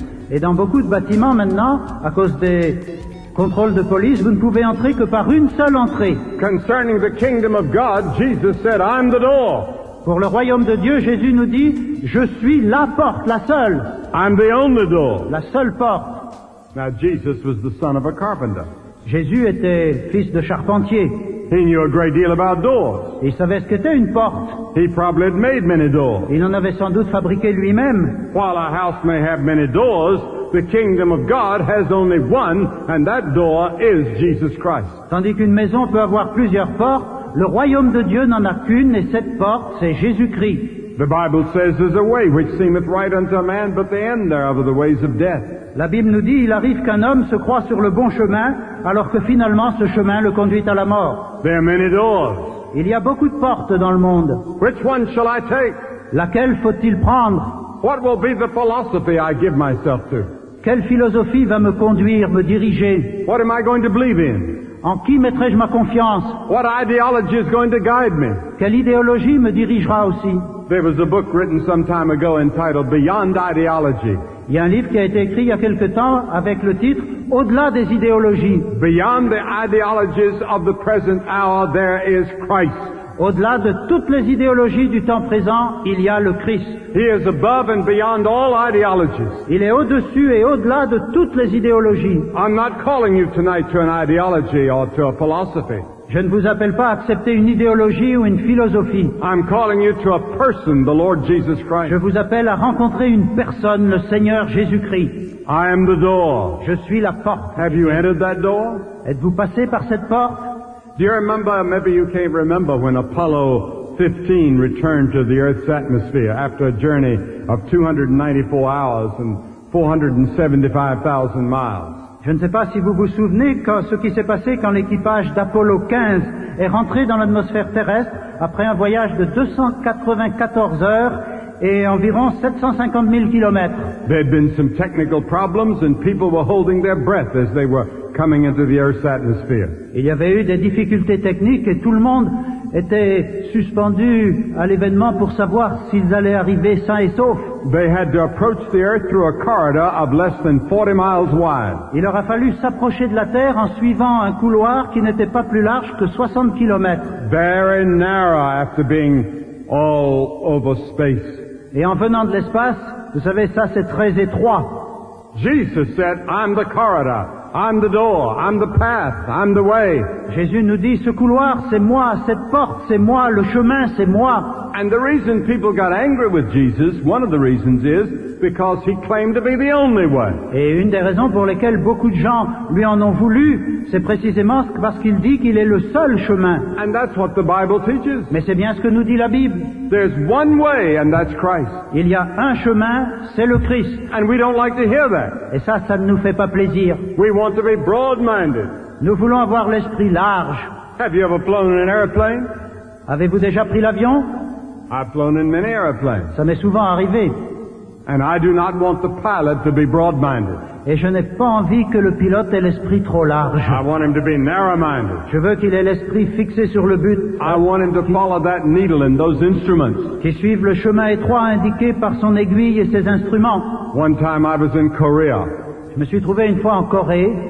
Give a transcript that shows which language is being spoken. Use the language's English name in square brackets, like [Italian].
[French] Et dans beaucoup de bâtiments maintenant, à cause des contrôles de police, vous ne pouvez entrer que par une seule entrée. [English] Concerning the kingdom of God, Jesus said, I'm the door. [French] Pour le royaume de Dieu, Jésus nous dit, je suis la porte, la seule. [English] I'm the only door. [French] La seule porte. [English] Now Jesus was the son of a carpenter. [French] Jésus était fils de charpentier. [English] He knew a great deal about doors. [French] Il savait ce qu'était une porte. [English] He probably had made many doors. [French] Il en avait sans doute fabriqué lui-même. [English] While a house may have many doors, the kingdom of God has only one, and that door is Jesus Christ. [French] Tandis qu'une maison peut avoir plusieurs portes, le royaume de Dieu n'en a qu'une, et cette porte, c'est Jésus-Christ. [English] The Bible says there's a way which seemeth right unto a man, but the end thereof are the ways of death. [French] La Bible nous dit, il arrive qu'un homme se croit sur le bon chemin, alors que finalement ce chemin le conduit à la mort. [English] There are many doors. [French] Il y a beaucoup de portes dans le monde. [English] Which one shall I take? [French] Laquelle faut-il prendre? [English] What will be the philosophy I give myself to? [French] Quelle philosophie va me conduire, me diriger? [English] What am I going to believe in? [French] En qui mettrai-je ma confiance? [English] What ideology is going to guide me? [French] Quelle idéologie me dirigera aussi? [English] There was a book written some time ago entitled Beyond Ideology. [French] Il y a un livre qui a été écrit il y a quelque temps avec le titre Au-delà des idéologies. [English] Beyond the ideologies of the present hour, there is Christ. [French] Au-delà de toutes les idéologies du temps présent, il y a le Christ. [English] He is above and beyond all ideologies. [French] Il est au-dessus et au-delà de toutes les idéologies. [English] I'm not calling you tonight to an ideology or to a philosophy. [French] Je ne vous appelle pas à accepter une idéologie ou une philosophie. [English] I'm calling you to a person, the Lord Jesus Christ. [French] Je vous appelle à rencontrer une personne, le Seigneur Jésus-Christ. [English] I am the door. [French] Je suis la porte. [English] Have you entered that door? [French] Êtes-vous passé par cette porte? [English] Do you remember, maybe you can't remember, when Apollo 15 returned to the Earth's atmosphere after a journey of 294 hours and 475,000 miles? [French] Je ne sais pas si vous vous souvenez ce qui s'est passé quand l'équipage d'Apollo 15 est rentré dans l'atmosphère terrestre après un voyage de 294 heures et environ 750 000 kilomètres. [English] There had been some technical problems and people were holding their breath as they were coming into the Earth's atmosphere. [French] Il y avait eu des difficultés techniques et tout le monde était suspendu à l'événement pour savoir s'ils allaient arriver sains et saufs. [English] They had to approach the Earth through a corridor of less than 40 miles wide. [French] Il leur a fallu s'approcher de la Terre en suivant un couloir qui n'était pas plus large que 60 kilomètres. [English] Very narrow after being all over space. [French] Et en venant de l'espace, vous savez, ça c'est très étroit. [English] Jesus said, I'm the corridor. I'm the door, I'm the path, I'm the way. [French] Jésus nous dit, ce couloir, c'est moi, cette porte, c'est moi, le chemin, c'est moi. [English] And the reason people got angry with Jesus, one of the reasons is, because he claimed to be the only one. [French] Et une des raisons pour lesquelles beaucoup de gens lui en ont voulu, c'est précisément parce qu'il dit qu'il est le seul chemin. [English] And that's what the Bible teaches. [French] Mais c'est bien ce que nous dit la Bible. [English] There's one way, and that's Christ. [French] Il y a un chemin, c'est le Christ. [English] And we don't like to hear that. [French] Et ça, ça ne nous fait pas plaisir. [English] We want to be broad-minded. [French] Nous voulons avoir l'esprit large. [English] Have you ever flown in an airplane? [French] Avez-vous déjà pris l'avion? [English] I've flown in many airplanes. [French] Ça m'est souvent arrivé. [English] And I do not want the pilot to be broad-minded. [French] Et je n'ai pas envie que le pilote ait l'esprit trop large. [English] I want him to be narrow-minded. [French] Je veux qu'il ait l'esprit fixé sur le but. [English] I want him to follow that needle and those instruments. [French] Qui suive le chemin étroit indiqué par son aiguille et ses instruments. [English] One time I was in Korea. [French] Je me suis trouvé une fois en Corée.